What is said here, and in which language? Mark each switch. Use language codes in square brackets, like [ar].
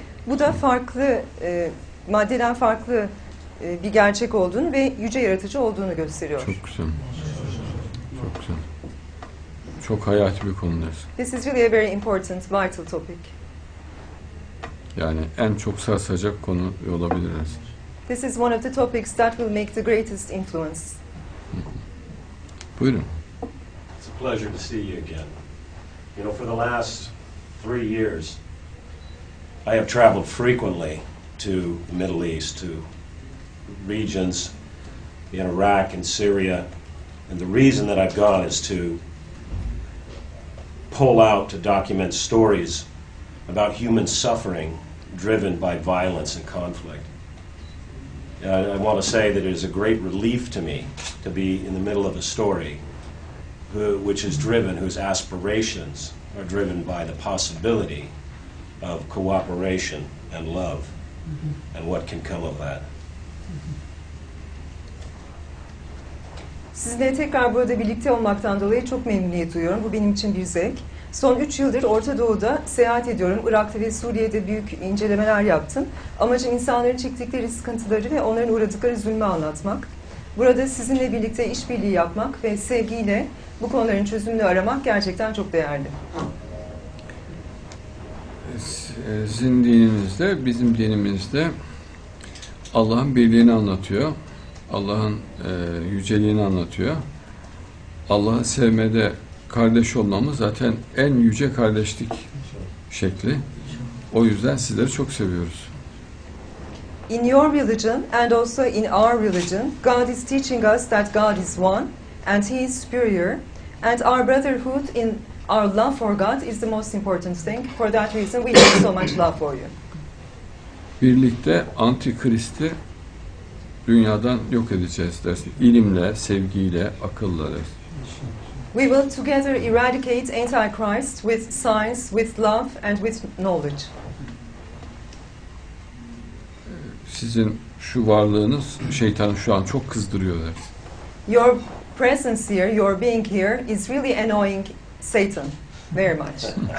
[tr] Bu da farklı, maddeden farklı bir gerçek olduğunu ve yüce yaratıcı olduğunu gösteriyor. Çok güzel. çok hayati bir konudur. [en] This is really a very important, vital topic. [tr] Yani en çok sarsacak konu olabiliriz. [en] This is one of the topics that will make the greatest influence. [tr] Buyurun. [en] It's a pleasure to see you again. You know, for the last 3 years, I have traveled frequently to the Middle East, to regions in Iraq and Syria. And the reason that I've gone is to pull out, to document stories about human suffering driven by violence and conflict. And I want to say that it is a great relief to me to be in the middle of a story which is driven, whose aspirations are driven by the possibility of cooperation and love, mm-hmm. and what can come of that. [tr] Sizinle tekrar burada birlikte olmaktan dolayı çok memnuniyet duyuyorum. Bu benim için bir zevk. Son 3 yıldır Orta Doğu'da seyahat ediyorum. Irak'ta ve Suriye'de büyük incelemeler yaptım. Amacım insanların çektikleri sıkıntıları ve onların uğradıkları zulmü anlatmak. Burada sizinle birlikte işbirliği yapmak ve sevgiyle bu konuların çözümünü aramak gerçekten çok değerli. Sizin dininizde, bizim dinimizde Allah'ın birliğini anlatıyor. Allah'ın yüceliğini anlatıyor. Allah'ı sevmede kardeş olmamız zaten en yüce kardeşlik şekli. O yüzden sizleri çok seviyoruz. [en] In your religion and also in our religion, God is teaching us that God is one and He is superior, and our brotherhood in our love for God is the most important thing. For that reason we have so much love for you. [tr] Birlikte Antikrist'i dünyadan yok edeceğiz dersin. İlimle, sevgiyle, akılla dersin. [en] We will together eradicate Antichrist with science, with love and with knowledge. [tr] Sizin şu varlığınız şeytanı şu an çok kızdırıyor dersin. [en] Your presence here, your being here is really annoying Satan very much.